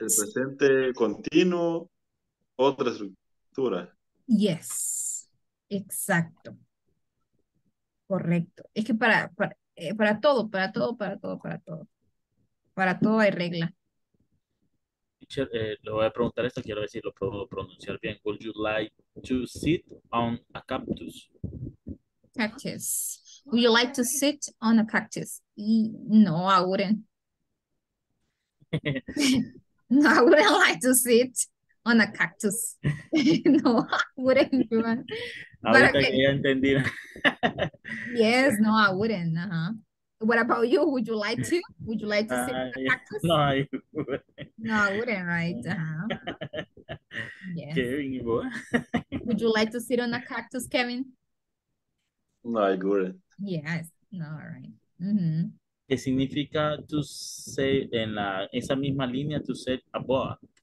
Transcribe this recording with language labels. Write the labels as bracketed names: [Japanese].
[Spanish] El presente continuo, otra estructura. Yes, exacto. Correcto. Es que para todo hay regla. Le voy a preguntar esto, quiero ver si lo puedo pronunciar bien. [English] Would you like to sit on a cactus? Cactus. Would you like to sit on a cactus? No, I wouldn't. No, I wouldn't like to sit on a cactus. No, I wouldn't. [Spanish] Ahorita quería entender. [English] Yes, no, I wouldn't. Uh-huh. What about you? Would you like to? Would you like to sit on a cactus? No, I wouldn't. No, I wouldn't, right? Uh-huh. Yes. Kevin, you boy. Would you like to sit on a cactus, Kevin? No, I wouldn't. Yes. No, all right. Mm-hmm. [Spanish] ¿Qué significa [English] to say [Spanish] en la esa misma línea [English] to say above?